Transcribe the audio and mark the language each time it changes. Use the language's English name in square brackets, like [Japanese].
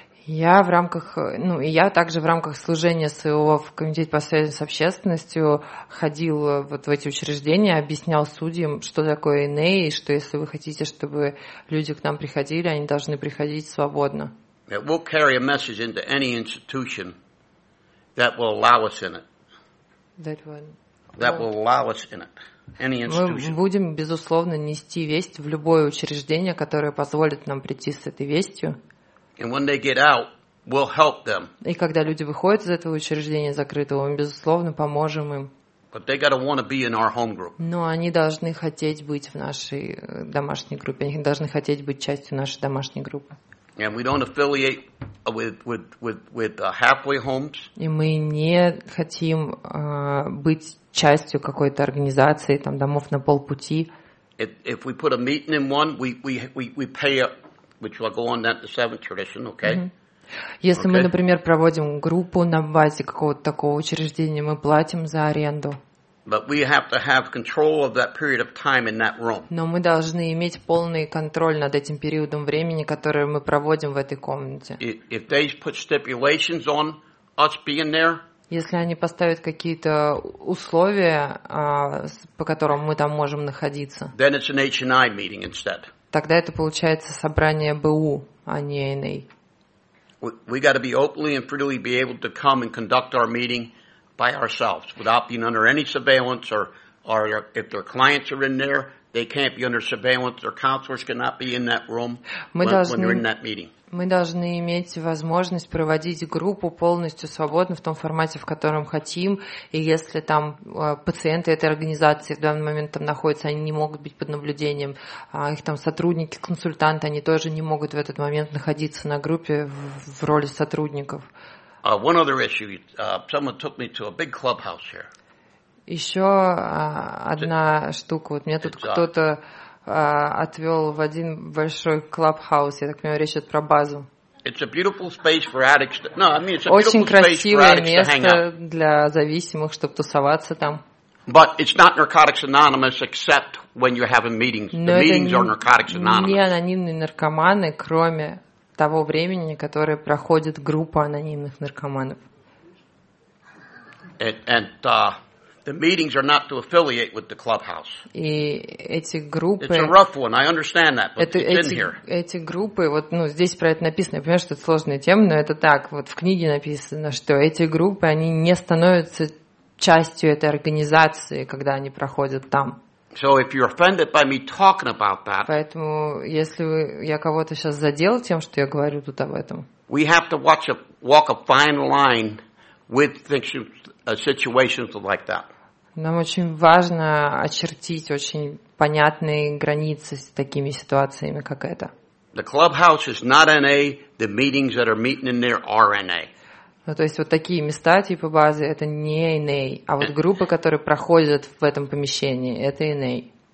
[Russian] Я в рамках, ну, я также в рамках служения своего в Комитете по связи с общественностью ходил вот в эти учреждения, объяснял судьям, что такое NA, и что если вы хотите, чтобы люди к нам приходили, они должны приходить свободно. [English] It will carry a message into any institution that will allow us in it. That one. That will allow us in it. Any institution. [Russian] Мы будем безусловно нести весть в любое учреждение, которое позволит нам прийти с этой вестью. [English] And when they get out, we'll help them. [Russian] И когда люди выходят из этого учреждения закрытого, мы безусловно поможем им. [English] But they gotta want to be in our home group. [Russian] Но они должны хотеть быть в нашей домашней группе. Они должны хотеть быть частью нашей домашней группы. [English] And we don't affiliate with halfway homes. [Russian] И мы не хотим быть частью какой-то организации, там, домов на полпути. [English] If we put a meeting in one, we pay up, which will go on that the seventh tradition, okay? Mm-hmm. [Russian] Если okay. Мы, например, проводим группу на базе какого-то такого учреждения, мы платим за аренду. [English] But we have to have control of that period of time in that room. [Russian] Но мы должны иметь полный контроль над этим периодом времени, который мы проводим в этой комнате. [English] If they put stipulations on us being there, [Russian] если они поставят какие-то условия, по которым мы там можем находиться, [English] then it's an H&I meeting instead. [Russian] Тогда это получается собрание БУ, а не NA. [English] We got to be openly and freely be able to come and conduct our meeting by ourselves without being under any surveillance or if their clients are in there, they can't be under surveillance. Their counselors cannot be in that room when they're in that meeting. [Russian] Мы должны иметь возможность проводить группу полностью свободно в том формате, в котором хотим. И если там пациенты этой организации в данный момент там находятся, они не могут быть под наблюдением. Их там сотрудники, консультанты, они тоже не могут в этот момент находиться на группе в роли сотрудников. [English] One other issue. Someone took me to a big clubhouse here. [Russian] Еще одна штука. Вот мне тут кто-то отвел в один большой клубхаус. Я так понимаю, речь идет про базу. [English] It's a beautiful space for addicts. [Russian] Очень красивое место для зависимых, чтобы тусоваться там. [English] But it's not Narcotics Anonymous except when you have a meeting. [Russian] Но [English] the meetings are Narcotics Anonymous. [Russian] Не анонимные наркоманы, кроме того времени, которое проходит группа анонимных наркоманов. [English] And the meetings are not to affiliate with the clubhouse. [Russian] И эти группы. [English] It's a rough one. I understand that, but it's in here. [Russian] Эти группы, вот, ну, здесь про это написано. Я понимаю, что это сложная тема, но это так. Вот в книге написано, что эти группы, они не становятся частью этой организации, когда они проходят там. [English] So if you're offended by me talking about that. [Russian] Поэтому, если вы, я кого-то сейчас задел тем, что я говорю тут об этом. [English] We have to watch a walk a fine line with things you. Situations like that. [Russian] Нам очень важно очертить очень понятные границы с такими ситуациями, как это. [English] The clubhouse is not NA. The meetings that are meeting in there are NA. [Russian] Ну, то есть вот такие места типа базы это не NA, а вот группы, которые проходят в этом помещении, это NA.